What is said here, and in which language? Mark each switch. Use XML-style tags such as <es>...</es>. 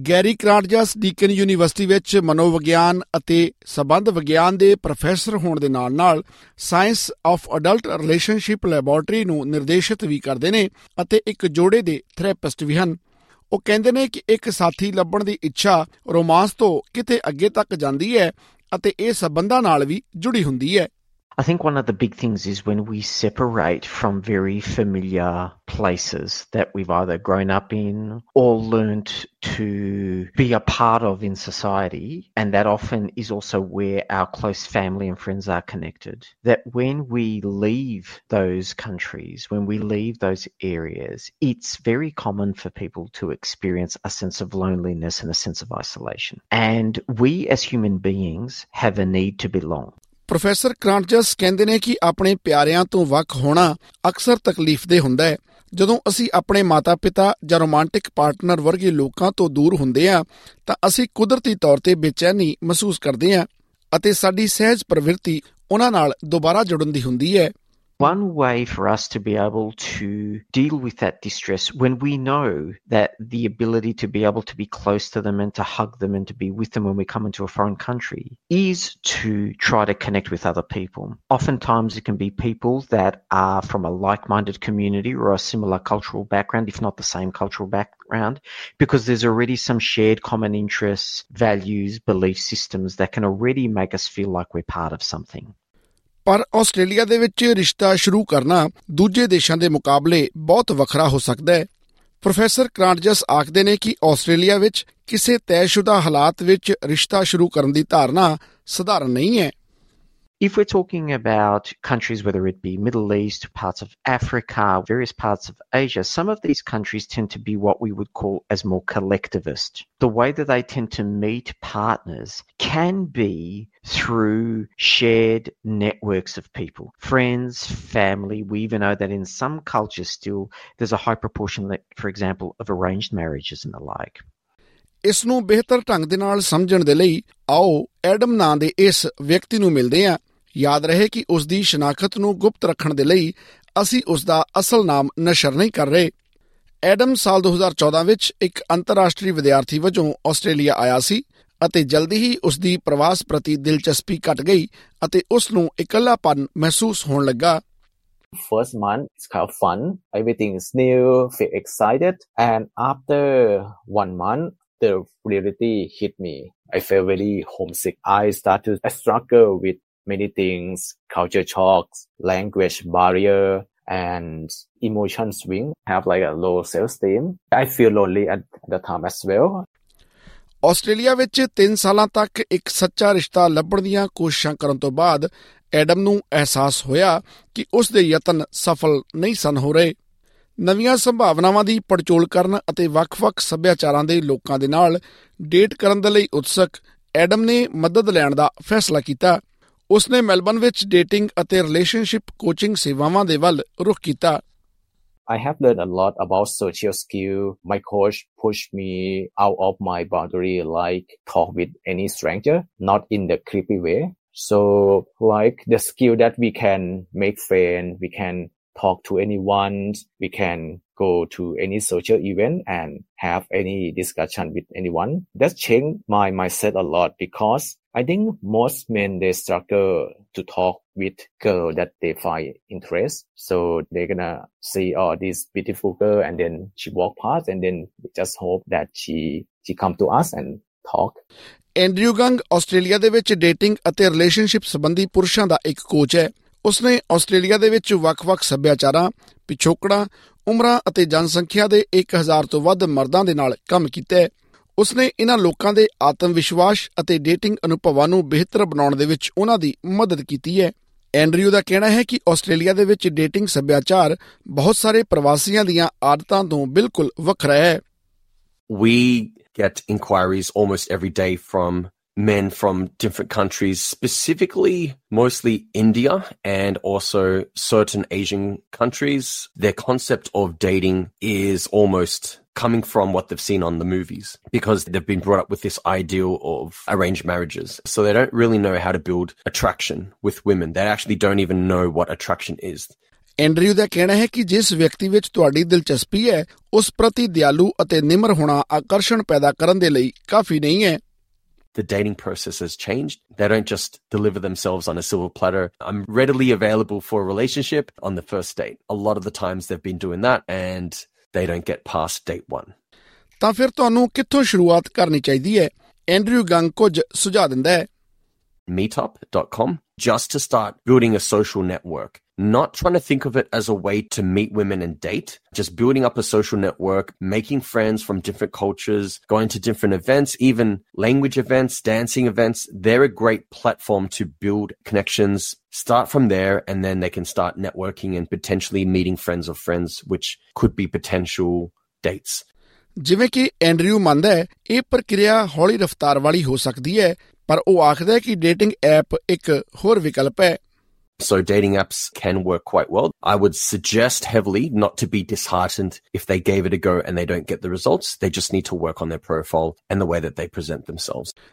<pa>Garry ਕਰਾਂਟਜਸ Deakin university ਵਿੱਚ ਮਨੋਵਿਗਿਆਨ ਅਤੇ ਸੰਬੰਧ ਵਿਗਿਆਨ ਦੇ ਪ੍ਰੋਫੈਸਰ ਹੋਣ ਦੇ ਨਾਲ ਨਾਲ science of adult relationship laboratory ਨੂੰ ਨਿਰਦੇਸ਼ਿਤ ਵੀ ਕਰਦੇ ਨੇ ਅਤੇ ਇੱਕ ਜੋੜੇ ਦੇ ਥੈਰੇਪਿਸਟ ਵੀ ਹਨ। ਉਹ ਕਹਿੰਦੇ ਨੇ ਕਿ ਇੱਕ ਸਾਥੀ ਲੱਭਣ ਦੀ ਇੱਛਾ ਰੋਮਾਂਸ ਤੋਂ ਕਿਤੇ ਅੱਗੇ ਤੱਕ ਜਾਂਦੀ ਹੈ ਅਤੇ ਇਹ ਸੰਬੰਧਾਂ ਨਾਲ ਵੀ ਜੁੜੀ ਹੁੰਦੀ ਹੈ।</pa> <en>I think one of the big things is when we separate from very familiar places that we've either grown up in or learned to be a part of in society, and that often is also where our close family and friends are connected, that when we leave those countries, when we leave those areas, it's very common for people to experience a sense of loneliness and a sense of isolation. And we as human beings have a need to belong.</en> <pa>Professor ਕ੍ਰਾਂਟਜਸ ਕਹਿੰਦੇ ਨੇ ਕਿ ਆਪਣੇ ਪਿਆਰਿਆਂ ਤੋਂ ਵੱਖ ਹੋਣਾ ਅਕਸਰ ਤਕਲੀਫਦੇਹ ਹੁੰਦਾ ਹੈ। ਜਦੋਂ ਅਸੀਂ ਆਪਣੇ ਮਾਤਾ ਪਿਤਾ ਜਾਂ ਰੋਮਾਂਟਿਕ ਪਾਰਟਨਰ ਵਰਗੇ ਲੋਕਾਂ ਤੋਂ ਦੂਰ ਹੁੰਦੇ ਹਾਂ ਤਾਂ ਅਸੀਂ ਕੁਦਰਤੀ ਤੌਰ ਤੇ ਬੇਚੈਨੀ ਮਹਿਸੂਸ ਕਰਦੇ ਹਾਂ ਅਤੇ ਸਾਡੀ ਸਹਿਜ ਪ੍ਰਵਿਰਤੀ ਉਹਨਾਂ ਨਾਲ ਦੁਬਾਰਾ ਜੁੜਨ ਦੀ ਹੁੰਦੀ ਹੈ।</pa> <en>One way for us to be able to deal with that distress when we know that the ability to be able to be close to them and to hug them and to be with them when we come into a foreign country is to try to connect with other people. Oftentimes it can be people that are from a like-minded community or a similar cultural background, if not the same cultural background, because there's already some shared common interests, values, belief systems that can already make us feel like we're part of something.</en> <pa>ਪਰ Australia ਦੇ ਵਿੱਚ ਰਿਸ਼ਤਾ ਸ਼ੁਰੂ ਕਰਨਾ ਦੂਜੇ ਦੇਸ਼ਾਂ ਦੇ ਮੁਕਾਬਲੇ ਬਹੁਤ ਵੱਖਰਾ ਹੋ ਸਕਦਾ ਹੈ। ਪ੍ਰੋਫੈਸਰ ਕ੍ਰਾਂਟਜਸ ਆਖਦੇ ਨੇ ਕਿ ਆਸਟ੍ਰੇਲੀਆ ਵਿੱਚ ਕਿਸੇ ਤੈਅਸ਼ੁਦਾ ਹਾਲਾਤ ਵਿੱਚ ਰਿਸ਼ਤਾ ਸ਼ੁਰੂ ਕਰਨ ਦੀ ਧਾਰਨਾ ਸਧਾਰਨ ਨਹੀਂ ਹੈ।</pa> <en>If we're talking about countries, whether it be Middle East, parts of Africa, various parts of Asia, some of these countries tend to be what we would call as more collectivist. The way that they tend to meet partners can be through shared networks of people, friends, family. We even know that in some cultures still, there's a high proportion, for example, of arranged marriages and the like.</en> <pa>ਇਸ ਨੂੰ ਬਿਹਤਰ ਢੰਗ ਦੇ ਨਾਲ ਸਮਝਣ ਦੇ ਲਈ ਆਓ ਐਡਮ ਨਾਂ ਦੇ ਇਸ ਵਿਅਕਤੀ ਨੂੰ ਮਿਲਦੇ ਹਾਂ। ਯਾਦ ਰਹੇ ਕਿ ਉਸ ਦੀ ਸ਼ਨਾਖਤ ਨੂੰ ਗੁਪਤ ਰੱਖਣ ਦੇ ਲਈ ਅਸੀਂ ਉਸ ਦਾ ਅਸਲ ਨਾਮ ਨਸ਼ਰ ਨਹੀਂ ਕਰ ਰਹੇ। ਐਡਮ ਸਾਲ 2014 ਵਿੱਚ ਇੱਕ ਅੰਤਰਰਾਸ਼ਟਰੀ ਵਿਦਿਆਰਥੀ ਵਜੋਂ ਆਸਟ੍ਰੇਲੀਆ ਆਇਆ ਸੀ ਅਤੇ ਜਲਦੀ ਹੀ ਉਸ ਦੀ ਪ੍ਰਵਾਸ ਪ੍ਰਤੀ ਦਿਲਚਸਪੀ ਘਟ ਗਈ ਅਤੇ ਉਸ ਨੂੰ ਇਕੱਲਾਪਨ ਮਹਿਸੂਸ ਹੋਣ ਲੱਗਾ।</pa> <en>First month, it's kind of fun. Everything is new, feel excited. And after one month, the reality hit me. I felt very homesick. I struggle with many things, culture shocks, language barrier, and emotion swing. I have like a low self-esteem. I feel lonely at the time as well.</en> <pa>Australia ਵਿੱਚ 3 ਸਾਲਾਂ ਤੱਕ ਇੱਕ ਸੱਚਾ ਰਿਸ਼ਤਾ ਲੱਭਣ ਦੀਆਂ ਕੋਸ਼ਿਸ਼ਾਂ ਕਰਨ ਤੋਂ ਬਾਅਦ ਐਡਮ ਨੂੰ ਅਹਿਸਾਸ ਹੋਇਆ ਕਿ ਉਸ ਦੇ ਯਤਨ ਸਫਲ ਨਹੀਂ ਸਨ ਹੋ ਰਹੇ। ਨਵੀਆਂ ਸੰਭਾਵਨਾਵਾਂ ਦੀ ਪੜਚੋਲ ਕਰਨ ਅਤੇ ਵੱਖ-ਵੱਖ ਸੱਭਿਆਚਾਰਾਂ ਦੇ ਲੋਕਾਂ ਦੇ ਨਾਲ ਡੇਟ ਕਰਨ ਦੇ ਲਈ ਉਤਸੁਕ ਐਡਮ ਨੇ ਮਦਦ ਲੈਣ ਦਾ ਫੈਸਲਾ ਕੀਤਾ। ਉਸ ਨੇ ਮੈਲਬਨ ਵਿੱਚ ਡੇਟਿੰਗ ਅਤੇ ਰਿਲੇਸ਼ਨਸ਼ਿਪ ਕੋਚਿੰਗ ਸੇਵਾਵਾਂ ਦੇ ਵੱਲ ਰੁਖ ਕੀਤਾ।</pa> <en>I have learned a lot about social skill. My coach pushed me out of my boundary, like talk with any stranger, not in the creepy way. So like the skill that we can make friends, we can talk to anyone, we can go to any social event and have any discussion with anyone. That's changed my mindset a lot because I think most men, they struggle to talk with girl that they find interest. So they're gonna see, oh, this beautiful girl, and then she walk past, and then we just hope that she come to us and talk.</en> <pa>Andrew Gang Australia ਦੇ ਵਿੱਚ dating ਅਤੇ relationship ਸੰਬੰਧੀ ਪੁਰਸ਼ਾਂ ਦਾ ਇੱਕ coach ਹੈ। ਉਸਨੇ Australia ਦੇ ਵਿੱਚ ਵੱਖ-ਵੱਖ ਸੱਭਿਆਚਾਰਾਂ, ਪਿਛੋਕੜਾਂ, ਉਮਰਾਂ ਅਤੇ ਜਨਸੰਖਿਆ ਦੇ 1000 ਤੋਂ ਵੱਧ ਮਰਦਾਂ ਦੇ ਨਾਲ ਕੰਮ ਕੀਤਾ। ਉਸਨੇ ਇਨ੍ਹਾਂ ਲੋਕਾਂ ਦੇ ਆਤਮ ਵਿਸ਼ਵਾਸ ਅਤੇ ਡੇਟਿੰਗ ਅਨੁਭਵਾਂ ਨੂੰ ਬਿਹਤਰ ਬਣਾਉਣ ਦੇ ਵਿੱਚ ਉਹਨਾਂ ਦੀ ਮਦਦ ਕੀਤੀ ਹੈ। ਐਂਡਰਿਊ ਦਾ ਕਹਿਣਾ ਹੈ ਕਿ ਆਸਟ੍ਰੇਲੀਆ ਦੇ ਵਿੱਚ ਡੇਟਿੰਗ ਸੱਭਿਆਚਾਰ ਬਹੁਤ ਸਾਰੇ ਪ੍ਰਵਾਸੀਆਂ ਦੀਆਂ ਆਦਤਾਂ ਤੋਂ ਬਿਲਕੁਲ ਵੱਖਰਾ ਹੈ।</pa> <en>We get inquiries almost every day from men from different countries, specifically mostly India and also certain Asian countries. Their concept of dating is almost coming from what they've seen on the movies because they've been brought up with this ideal of arranged marriages. So they don't really know how to build attraction with women. They actually don't even know what attraction is.</en> <pa>Andrew ਦਾ ਕਹਿਣਾ ਹੈ ਕਿ ਜਿਸ ਵਿਅਕਤੀ ਵਿੱਚ ਤੁਹਾਡੀ ਦਿਲਚਸਪੀ ਹੈ ਉਸ ਪ੍ਰਤੀ ਦਿਆਲੂ ਅਤੇ ਨਿਮਰ ਹੋਣਾ ਆਕਰਸ਼ਣ ਪੈਦਾ ਕਰਨ ਦੇ ਲਈ ਕਾਫੀ ਨਹੀਂ ਹੈ.</pa> <en>The dating process has changed. They don't just deliver themselves on a silver platter. I'm readily available for a relationship on the first date. A lot of the times they've been doing that and they don't get past date one.</en> <pa>ਤਾਂ ਫਿਰ ਤੁਹਾਨੂੰ ਕਿੱਥੋਂ ਸ਼ੁਰੂਆਤ ਕਰਨੀ ਚਾਹੀਦੀ ਹੈ? Andrew ਗੰਗ ਕੁਝ ਸੁਝਾਅ ਦਿੰਦਾ ਹੈ.</pa> <en>Meetup.com, just to start building a social network. Not trying to think of it as a way to meet women and date, just building up a social network, making friends from different cultures, going to different events, even language events, dancing events. They're a great platform to build connections. Start from there and then they can start networking and potentially meeting friends of friends, which could be potential dates.</en> <pa>ਜਿਵੇਂ ਕਿ Andrew ਮੰਨਦਾ ਹੈ, ਇਹ ਪ੍ਰਕਿਰਿਆ ਹੌਲੀ ਰਫ਼ਤਾਰ ਵਾਲੀ ਹੋ ਸਕਦੀ ਹੈ, ਪਰ ਉਹ ਆਖਦਾ ਹੈ ਕਿ ਡੇਟਿੰਗ ਐਪ ਇੱਕ ਹੋਰ ਵਿਕਲਪ ਹੈ.</pa> <en>So dating apps can work quite well. I would suggest heavily not to be disheartened if they gave it a go and they don't get the results. They just need to work on their profile and the way that they present themselves.</en>